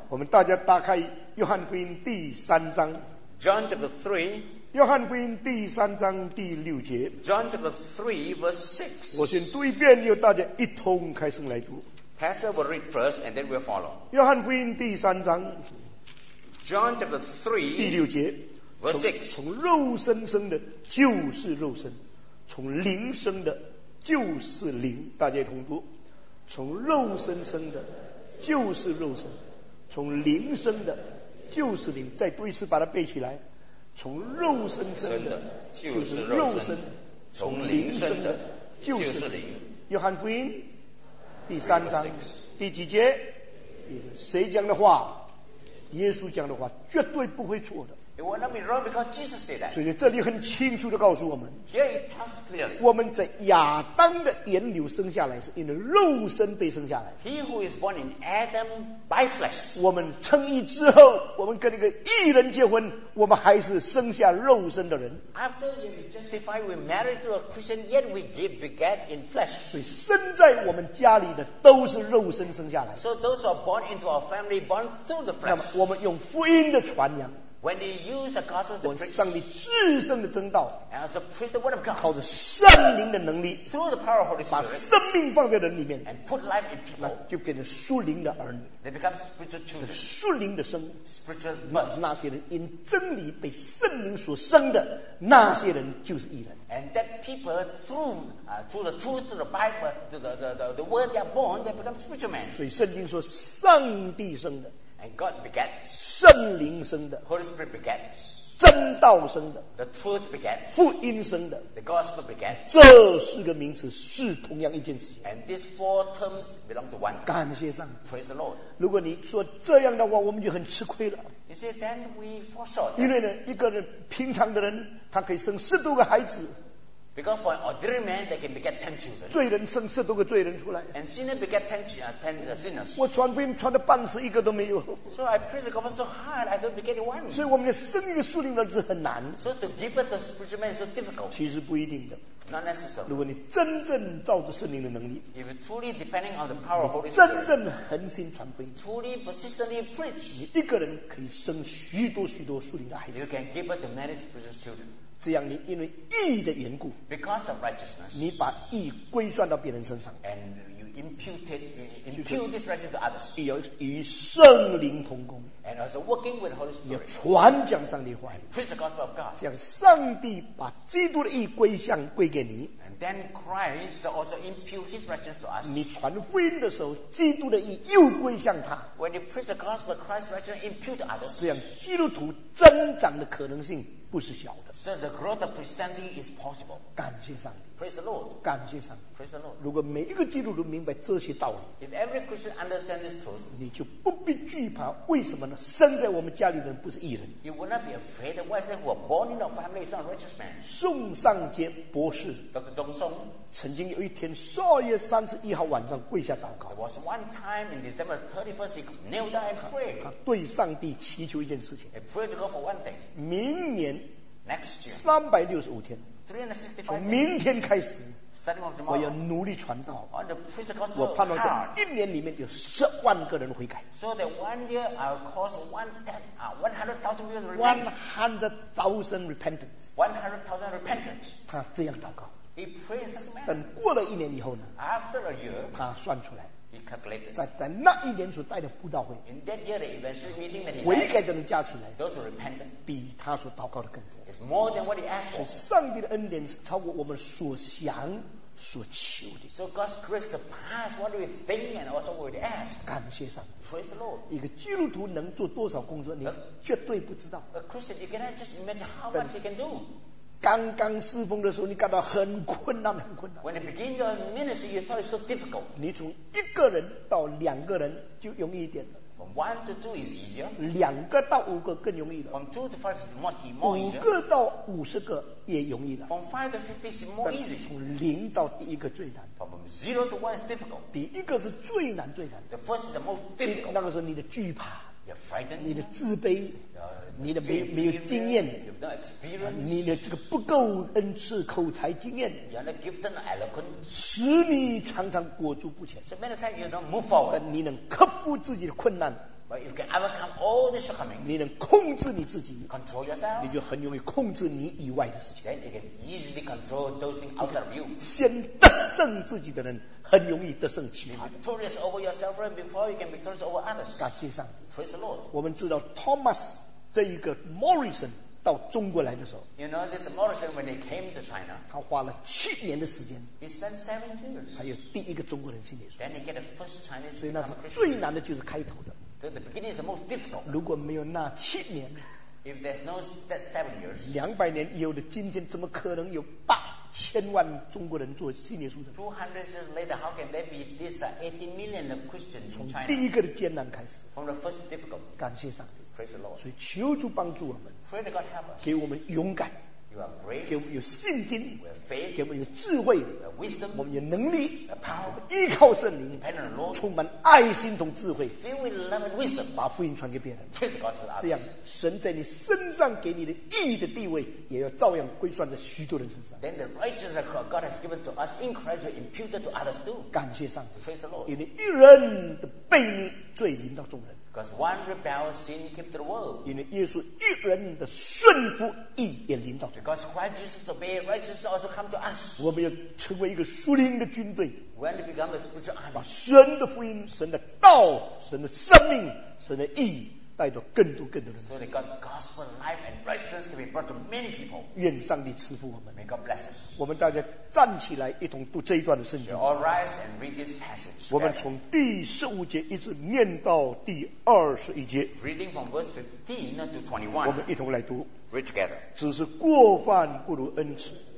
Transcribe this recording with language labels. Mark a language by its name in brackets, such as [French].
[Chinese] 我们大家打开约翰福音第三章。 [English] John chapter 3. [Chinese] 约翰福音第三章第六节。 [English] John chapter 3 verse 6. [Chinese] 我先读一遍，由大家一同开声来读。 [English] Pastor will read first and then we'll follow. [Chinese] 约翰福音第三章。 [English] John chapter 3. [Chinese] 第六节。 [English] Verse 6. [Chinese] 从肉身生的就是肉身，从灵生的就是灵，大家同读，从肉身生的就是肉身，从灵生的就是灵。再读一次，把它背起来。从肉身生的就是肉身，从灵生的就是灵。约翰福音第三章第几节？谁讲的话？耶稣讲的话绝对不会错的。 [English] It will not be wrong because Jesus said that. [Chinese] 所以这里很清楚地告诉我们 [English] Here it tells clearly. [Chinese] 我们在亚当的源流生下来是因为肉身被生下来 [English] He who is born in Adam by flesh. [Chinese] 我们称义之后我们跟一个义人结婚我们还是生下肉身的人 [English] After you justify we married to a Christian yet we give beget in flesh. [Chinese] 所以生在我们家里的都是肉身生下来 [English] So those who are born into our family born through the flesh. [Chinese] 那么我们用福音的传扬 [English] When you use the gospel to preach, [Chinese] 上帝至圣的真道 [English] as a preach the word of God, [Chinese] 靠着圣灵的能力 [English] through the power of Holy Spirit, [Chinese] 把生命放在人里面 [English] and put life in people, [Chinese] 那就变成属灵的儿女 [English] they become spiritual children, [Chinese] 属灵的生 [English] spiritual birth, [Chinese] 那些人因真理被圣灵所生的那些人就是义人 [English] and that people through, through the truth of the Bible, the word they are born, they become spiritual men. [Chinese] 所以圣经说上帝生的 [English] And God begets, [Chinese] 圣灵生的 [English] Holy Spirit begets, [Chinese] 真道生的 [English] The truth begets, [Chinese] 福音生的 [English] The gospel begets, [Chinese] 这四个名词是同样一件事 [English] And these four terms belong to one. [Chinese] 感谢上 [English] Praise the Lord. [Chinese] 如果你说这样的话我们就很吃亏了 [English] You see, then we fall short. [Chinese] 因为呢一个人平常的人他可以生十多个孩子 [English] Because for an ordinary man, they can beget 10 children. [Chinese] 罪人生十多个罪人出来。 [English] And sinners beget 10 sinners. [Chinese] 我传福音传的半死，一个都没有。 [English] So I preach the gospel so hard, I don't beget one. [Chinese] 所以我们的生一个属灵的儿子很难。 [English] So to give birth to a spiritual man is so difficult. [Chinese] 其实不一定的。 [English] Not necessary. [Chinese] 如果你真正照着圣灵的能力 [English] ，If you truly depending on the power of Holy Spirit, [Chinese] 真正恒心传福音 [English] ，Truly persistently preach, [Chinese] 你一个人可以生许多许多属灵的孩子。 [English] You can give birth to many spiritual children. [Chinese] 这样你因为义的缘故 [English] Because of righteousness, [Chinese] 你把义归算到别人身上 [English] and you impute this righteousness to others [Chinese] 要与圣灵同工 [English] and also working with the Holy Spirit [Chinese] 要传讲上帝话语 [English] preach the gospel of God [Chinese] 这样上帝把基督的义归向归给你 [English] and Then Christ also imputes His righteousness to us. [Chinese] 你传福音的时候，基督的义又归向他。 [English] When you preach the gospel, Christ's righteousness imputes to others. [Chinese] 这样基督徒增长的可能性不是小的。 [English] So the growth of Christianity is possible. [Chinese] 感谢上帝。 [English] Praise the Lord. [Chinese] 感谢上帝。 [English] Praise the Lord. [Chinese] 如果每一个基督徒明白这些道理， [English] If every Christian understands this truth, [Chinese] 你就不必惧怕。为什么呢？生在我们家里的人不是义人。 [English] You will not be afraid that those who are born in our family is not righteous man. [Chinese] 宋尚杰博士。 [English] Dr. 钟松 [Chinese] 曾经有一天12月31号晚上跪下祷告。 [English] There was one time in December 31st, he knelt down and prayed. [Chinese] 他对上帝祈求一件事情。 [English] He prayed to God for one thing. [Chinese] 明年 [English] next year [Chinese] 365天。 365天。从明天开始。 [English] Tomorrow, [Chinese] 我要努力传道。 [English] Gospel, [Chinese] 我盼望在一年里面有10万个人悔改。 [English] So that one year I'll cause 100,000 repentance. 100,000 repentance. [Chinese] 他这样祷告。 [English] He prays this man. [Chinese] 等过了一年以后呢 [English] ？After a year, [Chinese] 他算出来。 [English] He calculated. [Chinese] 在那一年所带的布道会。 [English] In that year, the evangelistic meeting that he had. [Chinese] 悔改的人加起来。 [English] Those who repented. [Chinese] 比他所祷告的更多。 [English] It's more than what he asked for. [Chinese] 上帝的恩典是超过我们所想所求的。 [English] So God's grace surpasses what we think and also what we ask. [Chinese] 感谢上帝。 [English] Praise the Lord. [Chinese] 一个基督徒能做多少工作，你绝对不知道。 [English] A Christian, you cannot just imagine how much he can do. [Chinese] 刚刚侍奉的时候，你感到很困难，很困难。 [English] When you begin your ministry, you thought it's so difficult. [Chinese] 你从一个人到两个人就容易一点了。 [English] From 1 to 2 is easier. [Chinese] 两个到五个更容易了。 [English] From 2 to 5 is much more easier. [Chinese] 五个到50个也容易了。 [English] From 5 to 50 is more easy. [Chinese] 从零到第一个最难。 [English] From 0 to 1 is difficult. [Chinese] 第一个是最难最难。 [English] The first is the most difficult. [Chinese] 那个时候你的惧怕。 [English] You're frightened, [Chinese] 你的自卑 你的 没有经验 [English] no experience, [Chinese] 你的这个不够恩赐口才经验 [English] you're not gifted or eloquent, [Chinese] 使你常常裹足不前 [English] so many times you don't move forward, [Chinese] 但你能克服自己的困难 [English] but you can overcome all the shortcomings, [Chinese] 你能控制你自己 [English] control yourself, [Chinese] 你就很容易控制你以外的事情 [English] then you can easily control those things outside of you [Chinese] 先得胜自己的人很容易得胜其他。 [English] Victorious over yourself before you can victorious over others. [Chinese] 感谢上帝。 [English] Praise the Lord. [Chinese] 我们知道 Thomas 这一个 Morrison 到中国来的时候。 [English] You know this Morrison when he came to China. [Chinese] 他花了7年的时间。 [English] He spent 7 years. [Chinese] 还有第一个中国人信耶稣。 [English] Then he get the first Chinese. [Chinese] 所以那是最难的，就是开头的。 [English] So the beginning is the most difficult. [Chinese] 如果没有那七年。 [English] If there's no that 7 years. [Chinese] 200年以后的今天，怎么可能有8000万中国人做信耶稣的 [English] ？200 years later, how can there be this 80 million of Christians in China? [Chinese] 从第一个的艰难开始。 [English] From the first difficulty. [Chinese] 感谢上帝。 [English] Praise the Lord. [Chinese] 所以求主帮助我们。 [English] Pray that God help us. [Chinese] 给我们勇敢。 [English] You are brave. [Chinese] 给我们有信心。 [English] We have faith. [Chinese] 给我们有智慧。 [English] We have wisdom. [Chinese] 我们有能力。 [English] We have power. [Chinese] 我们依靠圣灵。 [English] Dependent on the Lord. [Chinese] 充满爱心同智慧。 [English] Filled with love and wisdom. [Chinese] 把福音传给别人。 [English] Praise the God for [Chinese] that. 这样，神在你身上给你的义的地位，也要照样归算在许多人身上。 [English] Then the righteousness that God has given to us in Christ will imputed to others too. [Chinese] 感谢上帝。 [English] Praise the Lord. [Chinese] 因为一人的悖逆，罪临到众人。 [English] Because one rebel sin kept the world. [Chinese] 因为耶稣一人的顺服义也临到。 [English] Because righteousness obey righteousness also come to us. [Chinese] 我们要成为一个属灵的军队。 [English] When we become a spiritual army. [Chinese] 把神的福音、神的道、神的生命、神的义带到更多更多的人。 [English] So that God's gospel, life, and righteousness can be brought to many people. [Chinese] 愿上帝赐福我们。 [English] May God bless us. [Chinese] 我们大家站起来一同读这一段的圣经。 [English] So all rise and read this passage. [Chinese] 我们从第15节一直念到第21节。 [English] Reading from verse 15 to 21. [Chinese] 我们一同来读。 [English] Read together. [Chinese] 只是过犯不如恩赐。